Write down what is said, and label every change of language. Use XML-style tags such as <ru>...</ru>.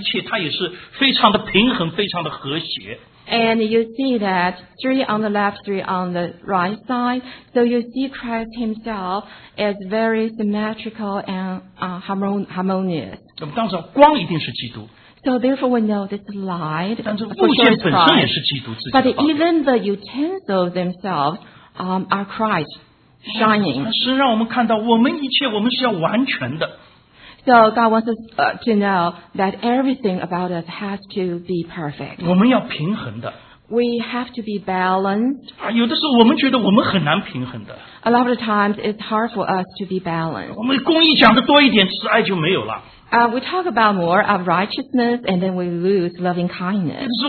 <zh>而且你会看它的左边三个，右边三个，所以基督他一切他也是非常的平衡，非常的和谐。</zh> <en>And you see that three on the left, three on the right side. So you see Christ himself as very symmetrical and harmonious.</en> <zh>当时光一定是基督。</zh> <en>So therefore, we know this light.</en> <zh>但是物件本身也是基督自己的宝贝。</zh> <en>But even the utensils themselves are Christ shining.</en> <zh>是让我们看到我们一切，我们是要完全的。</zh> <en>So God wants us to know that everything about us has to be perfect.</en> <zh>我们要平衡的。</zh> <en>We have to be balanced.</en> <zh>有的时候我们觉得我们很难平衡的。</zh> <en>A lot of the times it's hard for us to be balanced.</en> <zh>我们公义讲的多一点，慈爱就没有了。</zh> <en>We talk about more of righteousness and then we lose loving kindness.</en>